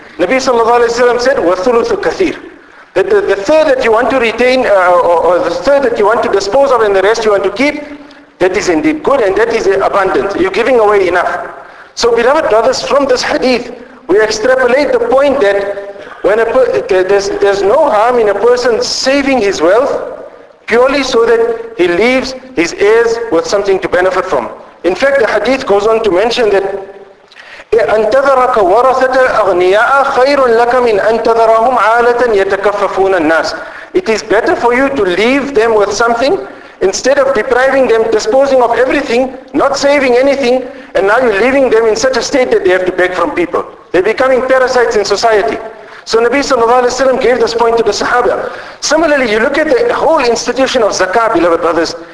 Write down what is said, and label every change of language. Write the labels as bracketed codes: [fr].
[en] Nabi Sallallahu Alaihi Wasallam said, [ar] "Wathuluthu kathir." [en] That the third that you want to retain, or the third that you want to dispose of and the rest you want to keep, that is indeed good and that is abundant. You're giving away enough. So beloved brothers, from this hadith, we extrapolate the point that there's no harm in a person saving his wealth purely so that he leaves his heirs with something to benefit from. In fact, the hadith goes on to mention that [ar] أَنْتَذَرَكَ وَرَثَةَ أَغْنِيَاءَ خَيْرٌ لَكَ مِنْ أَنْتَذَرَهُمْ عَالَةً يَتَكَفَّفُونَ النَّاسِ. [en] It is better for you to leave them with something instead of depriving them, disposing of everything, not saving anything, and now you're leaving them in such a state that they have to beg from people. They're becoming parasites in society. So Nabi Sallallahu Alaihi Wasallam gave this point to the Sahaba. Similarly, you look at the whole institution of zakah, beloved brothers.